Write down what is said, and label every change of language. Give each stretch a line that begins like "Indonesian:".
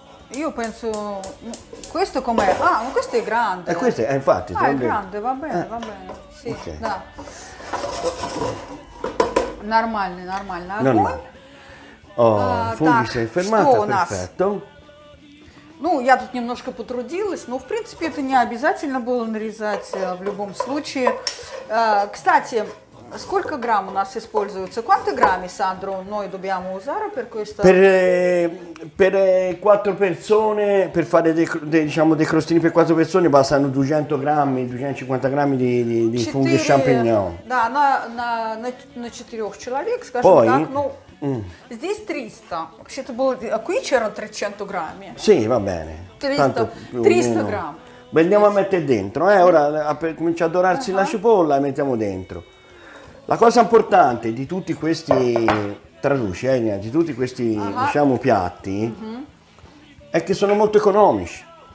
Italian: io penso questo com'è questo è grande e questo è infatti è grande va bene sì okay. normale funghi si è fermata perfetto.
Russian: Ну, я тут немножко потрудилась, но, в принципе, это не обязательно было нарезать в любом случае. Кстати, сколько грамм у нас используется?
Italian: Quanti grammi, Sandro, noi dobbiamo usare per questo? Per quattro persone, per fare diciamo dei crostini per quattro persone, bastano 200 grammi, 250 grammi di funghi champignon.
Russian: Да, на четырех человек, скажем
Italian: Poi,
Russian: так, ну... Здесь 300. Вообще-то было...
Italian: А qui c'era 300 грамм. Sì, va bene.
Russian: 300 грамм.
Italian: Andiamo a mettere dentro. Ora comincia a dorarsi la cipolla e mettiamo dentro. La cosa importante di tutti questi... Traduci, di tutti questi, diciamo, piatti, è che sono molto economici.